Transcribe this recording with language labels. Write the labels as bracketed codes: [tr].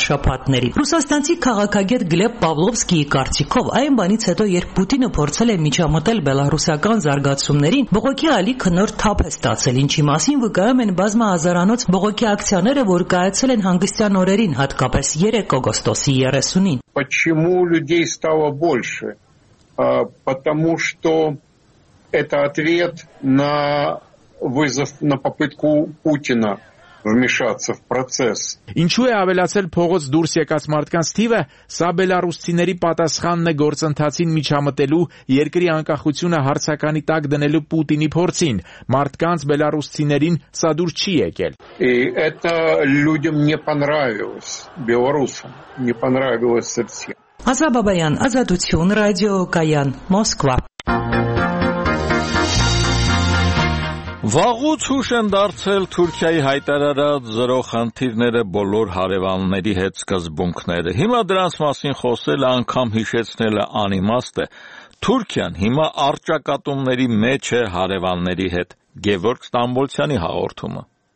[hy] վարշապատների։ Ռուսաստանցի քաղաքագետ Գլեբ Պավլովսկիի կարծիքով, այն բանից հետո, երբ Պուտինը փորձել է միջամտել բելարուսական զարգացումներին, բողոքի ալի քնոր թափ է ստացել, ինչի մասին վկայում են բազմահազարանոց բողոքի ակցիաները, որ կայացել են հանգստյան օրերին, հատկապես 3 օգոստոսի 30-ին։ [ru] Почему людей стало больше? Потому что это ответ на вызов, на попытку Путина вмешаться в процесс. [hy] Ինչու է ավելացել փողոց դուրս եկած մարդկանց թիվը, սա բելարուսցիների պատասխանն է գործընթացին միջամտելու երկրի անկախությունը հարցականի տակ դնելու Պուտինի փորձին, մարդկանց բելարուսցիներին սա դուրս չի եկել. [ru] Это людям не понравилось, белорусам не понравилось совсем. [hy] Ազա Բաբայան, Ազատություն ռադիո, Կայան, Մոսկվա։ Վաղուց հուշ են դարձել Թուրքիայի հայտարարած զրո խնդիրները բոլոր հարևանների հետ սկզբունքները։ Հիմա դրանց մասին խոսել անգամ հիշեցնելը անիմաստ է։ Թուրքիան հիմա արճակատումների մեջ է հարևանների հետ։ Գևորգ Ստամբոլցյանի հաղորդումը։